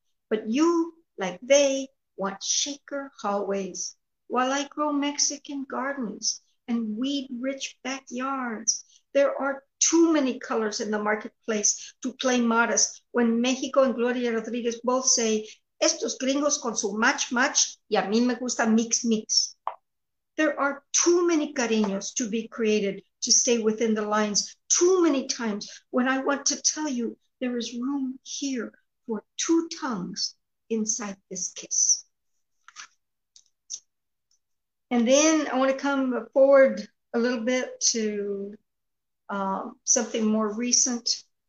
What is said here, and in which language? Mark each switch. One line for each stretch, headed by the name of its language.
English: But you, like they, want shaker hallways, while I grow Mexican gardens and weed-rich backyards. There are too many colors in the marketplace to play modest when Mexico and Gloria Rodriguez both say,
Spanish: Estos gringos con su match match y a mí me gusta mix mix.
English: There are too many cariños to be created to stay within the lines too many times when I want to tell you there is room here for two tongues inside this kiss. And then I want to come forward a little bit to something more recent.